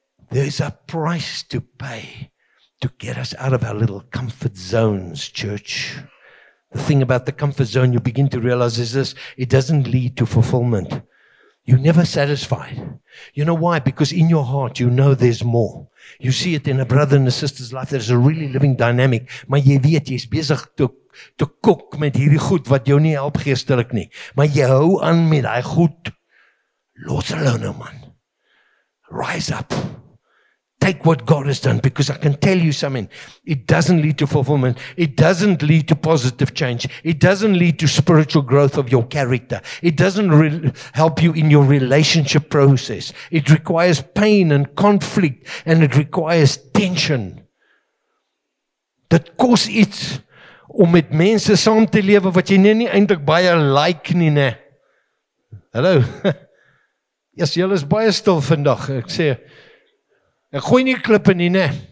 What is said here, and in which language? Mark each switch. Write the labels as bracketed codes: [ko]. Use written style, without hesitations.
[en] There's a price to pay to get us out of our little comfort zones, church. The thing about the comfort zone you begin to realize is this, it doesn't lead to fulfillment. You're never satisfied. You know why? Because in your heart, you know there's more. You see it in a brother and a sister's life. There's a really living dynamic. [af] Maar jy weet, jy is bezig te kook met hierdie goed wat jou nie help geestelik nie. Maar jy hou aan met die goed. Los alone, man. [en] Rise up. Take what God has done, because I can tell you something. It doesn't lead to fulfillment. It doesn't lead to positive change. It doesn't lead to spiritual growth of your character. It doesn't help you in your relationship process. It requires pain and conflict, and it requires tension. [af] Dit kos iets om met mense saam te lewe wat jy nie eintlik baie like nie, né? Hallo. Yes, julle is baie stil vandag. Ek sê ek gooi nie klippe nie, ne?